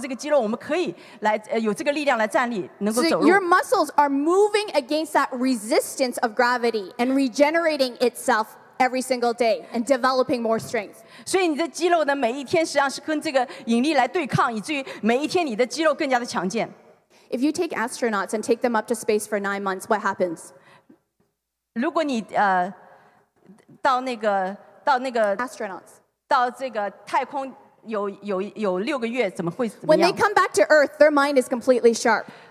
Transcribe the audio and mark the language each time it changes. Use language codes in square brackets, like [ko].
[zh] 所以神在我们建立了我们的这个肌肉，以至于每一天我们靠着这个肌肉，我们可以来有这个力量来站立，能够走路。 [en] So your muscles are moving against that resistance of gravity and regenerating itself every single day and developing more strength. [zh] 所以你的肌肉呢，每一天实际上是跟这个引力来对抗，以至于每一天你的肌肉更加的强健。 [en] If you take astronauts and take them up to space for 9 months, what happens? [zh] 如果你到那个 [en] astronauts [zh] 到这个太空有六个月，怎么会怎么样？ [en] When they come back to Earth, their mind is completely sharp.